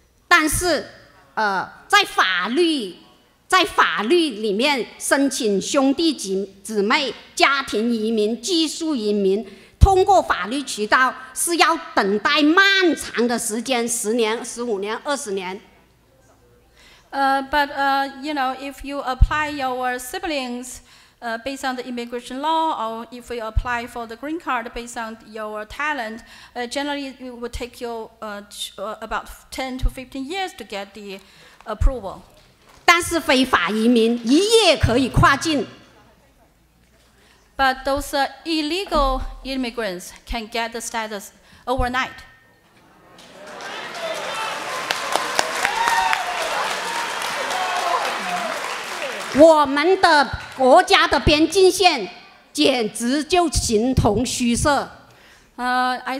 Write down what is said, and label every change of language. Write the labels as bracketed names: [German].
[Chinese] 但是, 在法律里面申请兄弟姊妹家庭移民、技术移民 通过法律渠道是要等待漫长的时间，10年、15年、20年。 [English] But you know, if you apply your siblings based on the immigration law, or if you apply for the green card based on your talent, generally it would take you about 10 to 15 years to get the approval. [Chinese] 但是非法移民一夜可以跨境。 [English] But those illegal immigrants can get the status overnight. I